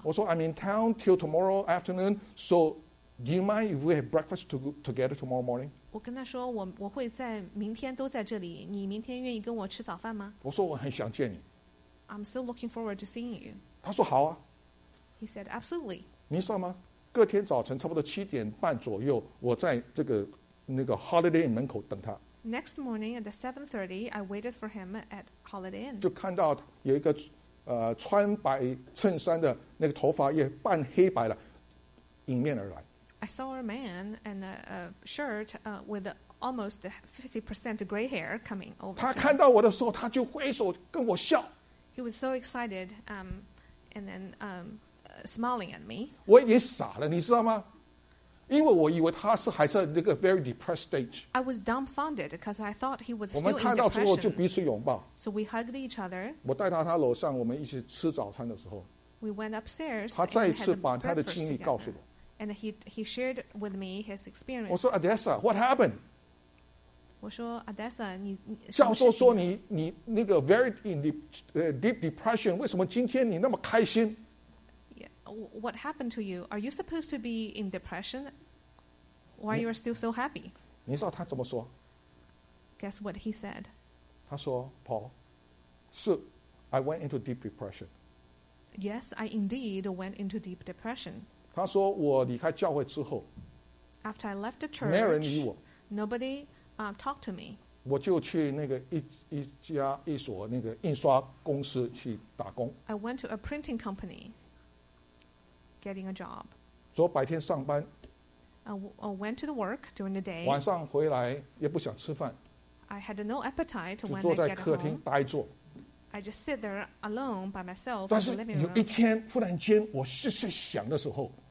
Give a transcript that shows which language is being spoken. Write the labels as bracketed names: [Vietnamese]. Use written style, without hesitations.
[Chinese] 我说, [English] I'm in town till tomorrow afternoon, so do you mind if we have breakfast together tomorrow morning? [Chinese] 我跟他说我会在明天都在这里 你明天愿意跟我吃早饭吗? 我说我很想见你。 [English] I'm so looking forward to seeing you. [Chinese] 他说好啊。 [English] He said absolutely. [Chinese] 你知道吗?隔天早晨差不多7:30左右 我在这个那个 Holiday Inn 门口等他。 [English] Next morning at 7:30 I waited for him at Holiday Inn. [Chinese] 就看到有一个 穿白衬衫的那个头发也半黑白了 迎面而来。 [English] I saw a man in a shirt with almost 50% gray hair coming over. [Chinese] 他看到我的时候，他就挥手跟我笑。 [English] He was so excited, and then smiling at me. [Chinese] 我已经傻了，你知道吗？因为我以为他是还在那个 [English] very depressed stage. I was dumbfounded because I thought he was still in depression. [Chinese] 我们看到之后就彼此拥抱。 [English] So we hugged each other. [Chinese] 我带到他楼上，我们一起吃早餐的时候。 [English] We went upstairs. [Chinese] 他再一次把他的经历告诉我。 [English] And he shared with me his experience. [Chinese] 我说 [English] Adessa, what happened? [Chinese] 我说 Adessa, 你教授说你那个 [English] very deep depression, [Chinese] 为什么今天你那么开心? [English] Yeah, what happened to you? Are you supposed to be in depression? Why you are still so happy? [Chinese] 你知道他怎么说? [English] Guess what he said? [Chinese] 他说 [English] Paul, 是 I went into deep depression. Yes, I indeed went into deep depression. [Chinese] 他说我离开教会之后, [English] After I left the church, nobody talked to me. [Chinese] 我就去一家一所印刷公司去打工。 [English] I went to a printing company, getting a job. [Chinese] 说白天上班, [English] I went to the work during the day. [Chinese] 晚上回来也不想吃饭, [English] I had no appetite when I got home. I just sit there alone by myself in the living room. [Chinese] 但是有一天忽然间我是在想的时候,